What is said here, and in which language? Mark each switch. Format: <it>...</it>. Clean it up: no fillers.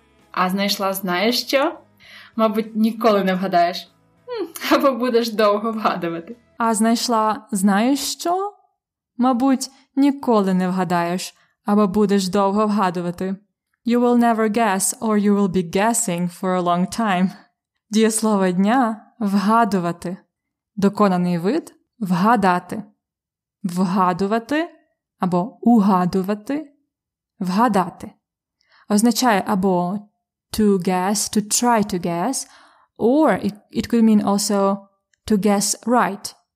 <uk>А знайшла, знаєш що? Мабуть, ніколи не вгадаєш. Або будеш довго вгадувати. А знайшла, знаєш що? Мабуть, ніколи не вгадаєш. Або будеш довго вгадувати.</uk> <en>You will never guess or you will be guessing for a long time.</en> <uk>Дієслово дня – вгадувати. Доконаний вид – вгадати. Вгадувати або угадувати. Вгадати. Означає або</uk> <en>to guess, to try to guess, or it could mean also to guess right.</en>